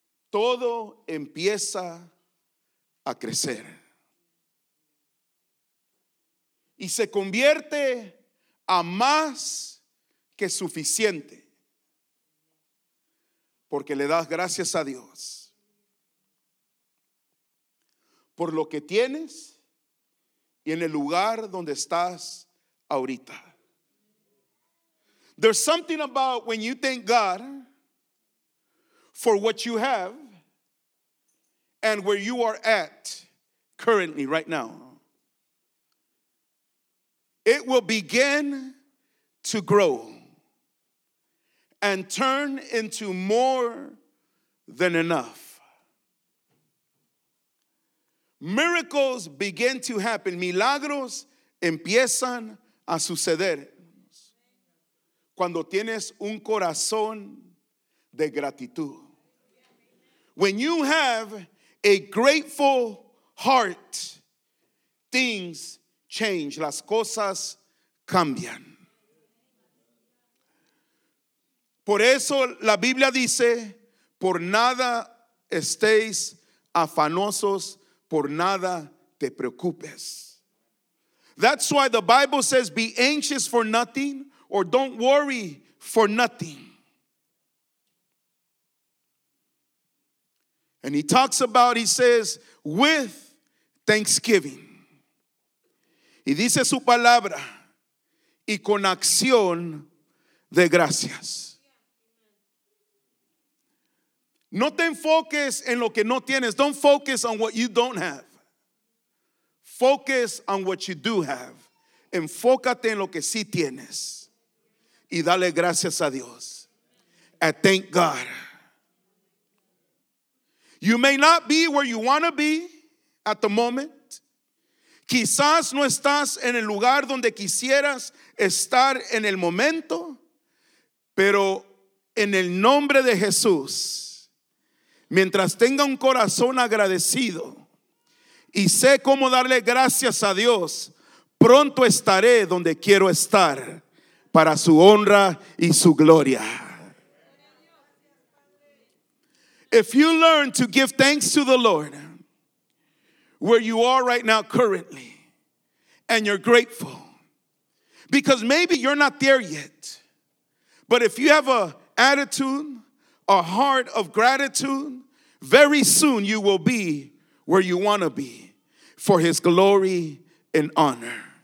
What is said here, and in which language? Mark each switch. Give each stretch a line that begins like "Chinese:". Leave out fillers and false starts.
Spanish: todo empieza a crecer y se convierte a más que suficiente, porque le das gracias a Dios por lo que tienes y en el lugar donde estás ahorita.
English: There's something about when you thank God for what you have and where you are at currently, right now. It will begin to grow and turn into more than enough. Miracles begin to happen.
Spanish: Milagros empiezan a suceder cuando tienes un corazón de gratitud.
English: When you have a grateful heart, things change.
Spanish: Las cosas cambian. Por eso la Biblia dice, por nada estéis afanosos, por nada te preocupes.
English: That's why the Bible says, be anxious for nothing, or don't worry for nothing. And he talks about, he says, with thanksgiving.
Spanish: Y dice su palabra, y con acción de gracias. No te enfoques en lo que no tienes.
English: Don't focus on what you don't have. Focus on what you do have.
Spanish: Enfócate en lo que sí tienes. y dale gracias a Dios.
English: And thank God. You may not be where you want to be at the moment.
Spanish: Quizás no estás en el lugar donde quisieras estar en el momento, pero en el nombre de Jesús, mientras tenga un corazón agradecido y sé cómo darle gracias a Dios, pronto estaré donde quiero estar para su honra y su gloria.
English: If you learn to give thanks to the Lord where you are right now currently and you're grateful, because maybe you're not there yet, but if you have an attitude, a heart of gratitude, very soon you will be where you want to be for his glory and honor.